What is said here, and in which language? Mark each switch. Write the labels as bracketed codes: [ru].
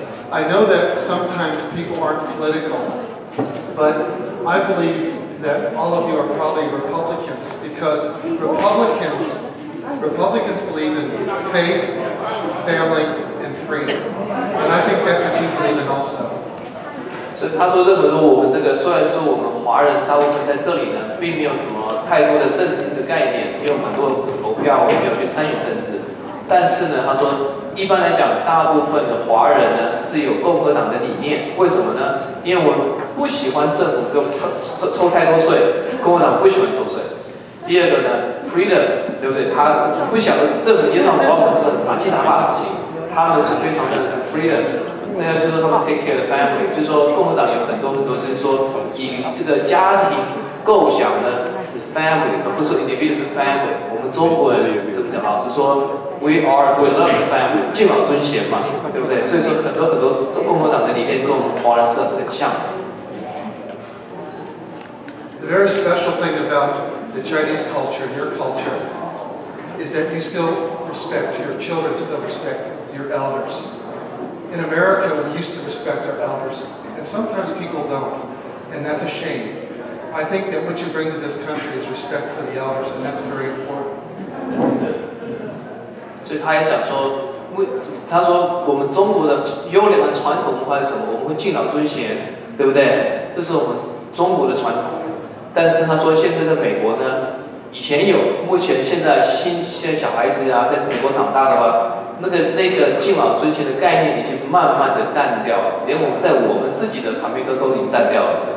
[en] I know that sometimes people aren't political, but I believe. That all of you are probably Republicans because Republicans believe in faith, family, and freedom. And I think that's what you believe in also. So he said, [zh] 任何说我们这个，虽然说我们华人大部分在这里呢，并没有什么太多的政治的概念，也有很多投票，我也没有去参与政治。但是呢，他说，一般来讲，大部分的华人呢是有共和党的理念。为什么呢？因为我。不喜欢政府给我们抽太多税，共和党不喜欢抽税。第二个呢 ，freedom， 对不对？他不想政府也让我们这个杂七杂八的事情，他们是非常的 freedom。再就是说他们 [en] take care of family， [zh] 就是说共和党有很多，就是说以这个家庭构想呢是 family， 而不是 individual 是 family。我们中国人怎么讲啊？是说 [en] we love the family， [zh] 敬老尊贤嘛，对不对？所以说很多共和党的理念跟我们华人是很像的。 [en] The very special thing about the Chinese culture and your culture is that you still respect your children, still respect your elders. In America, we used to respect our elders, and sometimes people don't, and that's a shame. I think that what you bring to this country is respect for the elders, and that's very important. [zh] 所以他也想说，他说我们中国的优良的传统文化是什么？我们会敬老尊贤，对不对？这是我们中国的传统。但是他说现在的美国呢，以前有，目前现在新小孩子啊，在美国长大的话，那个敬老尊贤的概念已经慢慢的淡掉，连我们自己的 community 都已经淡掉了。